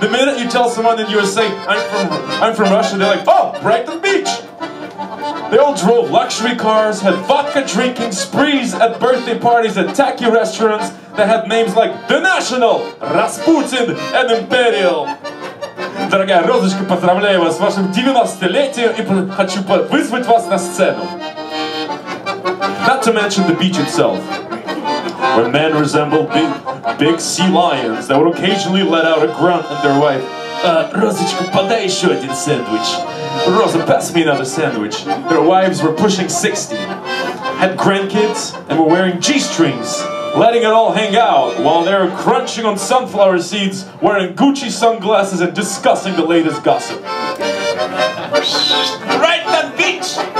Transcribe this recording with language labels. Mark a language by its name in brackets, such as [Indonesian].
[English] The minute you tell someone in the USA, I'm from Russia, they're like, oh, Brighton Beach! They all drove luxury cars, had vodka drinking sprees at birthday parties at tacky restaurants that had names like The National, Rasputin, and Imperial. [Russian] Дорогая Розочка, поздравляю вас с вашим 90-летием и хочу вызвать вас на сцену. [English] Not to mention the beach itself, where men resembled big sea lions that would occasionally let out a grunt at their wife. [Russian] Розочка, подай еще один сэндвич. [English] Роза, pass me another sandwich. Their wives were pushing 60, had grandkids, and were wearing G-strings, letting it all hang out while they're crunching on sunflower seeds, wearing Gucci sunglasses, and discussing the latest gossip. Right on beach!